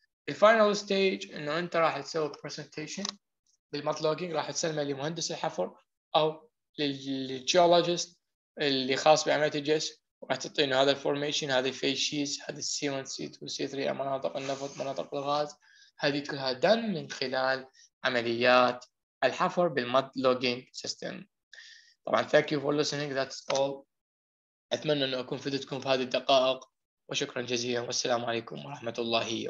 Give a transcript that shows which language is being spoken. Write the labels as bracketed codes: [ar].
[en] The final stage [ar] انه انت راح تسوي presentation بالمد لوجينج راح تسلمه لمهندس الحفر او للجيولوجيست اللي خاص بعمليه الجس وراح تعطي انه هذا الفورميشن هذه الفيشيز هذه السي 1 سي 2 سي 3 مناطق النفط مناطق الغاز هذه كلها دن من خلال عمليات الحفر بالمد لوجينج سيستم. [en] طبعا thank you for listening, that's all. [ar] اتمنى انه اكون فدتكم في هذه الدقائق وشكرا جزيلا والسلام عليكم ورحمه الله.